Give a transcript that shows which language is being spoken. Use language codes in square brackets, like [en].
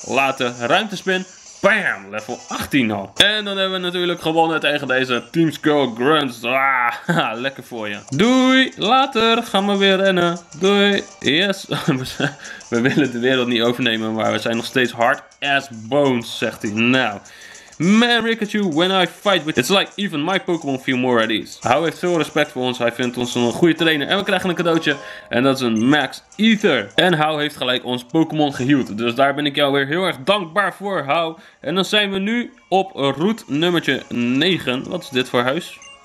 [nl] Later, ruimtespin. Bam, level 18 al. En dan hebben we natuurlijk gewonnen tegen deze Team Skull Grunts. Ah, lekker voor je. Doei, later gaan we weer rennen. Doei, yes. We willen de wereld niet overnemen, maar we zijn nog steeds [en] hard as bones, [nl] zegt hij. Nou, man, [en] Rickachu, when I fight with... It's like even my Pokémon feel more at ease. [nl] Hou heeft veel respect voor ons. Hij vindt ons een goede trainer. En we krijgen een cadeautje. En dat is een Max Aether. En Hou heeft gelijk ons Pokémon geheeld. Dus daar ben ik jou weer heel erg dankbaar voor, Hou. En dan zijn we nu op route nummertje 9. Wat is dit voor huis?